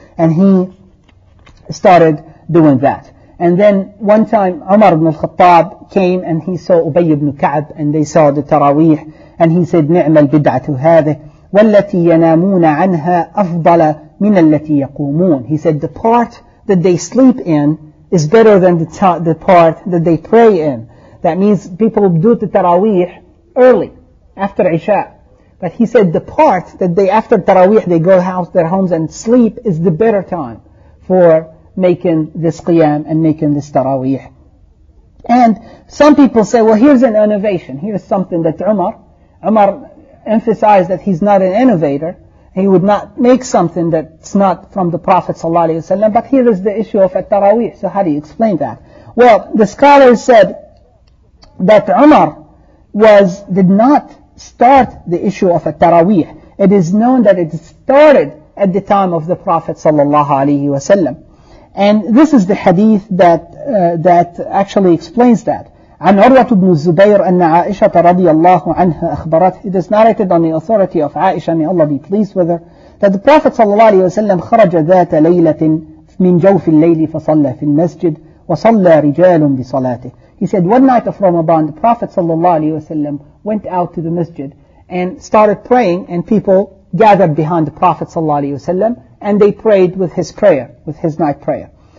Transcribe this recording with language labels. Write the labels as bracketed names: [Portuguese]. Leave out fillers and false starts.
[English] And he started doing that. And then one time Umar ibn al-Khattab came and he saw Ubay ibn Ka'b and they saw the taraweeh. [Arabic] And he said, نعم البدعة هذه والتي ينامون عنها أفضل من التي يقومون. [English] He said, the part that they sleep in is better than the part that they pray in. That means people do the taraweeh early, after Isha. But he said the part that they, after taraweeh, they go out their homes and sleep is the better time for making this qiyam and making this taraweeh. And some people say, well, here's an innovation. Here's something that Umar emphasized that he's not an innovator. He would not make something that's not from the Prophet sallallahu alaihi wasallam. But here is the issue of at-taraweeh. So how do you explain that? Well, the scholars said that Umar did not start the issue of at-taraweeh. It is known that it started at the time of the Prophet sallallahu alaihi wasallam. And this is the hadith that actually explains that. [Arabic] عن عروة بن الزبير أن عائشة رضي الله عنها أخبرت. [English] It is narrated on the authority of Aisha, may Allah be pleased with her, that the Prophet [Arabic] صلى الله عليه وسلم خرج ذات ليلة من جوف الليل فصلى في المسجد وصلى رجال بصلاته. [English] He said, one night of Ramadan, the Prophet صلى الله عليه وسلم went out to the masjid and started praying, and people gathered behind the Prophet صلى الله عليه وسلم and they prayed with his prayer, with his night prayer.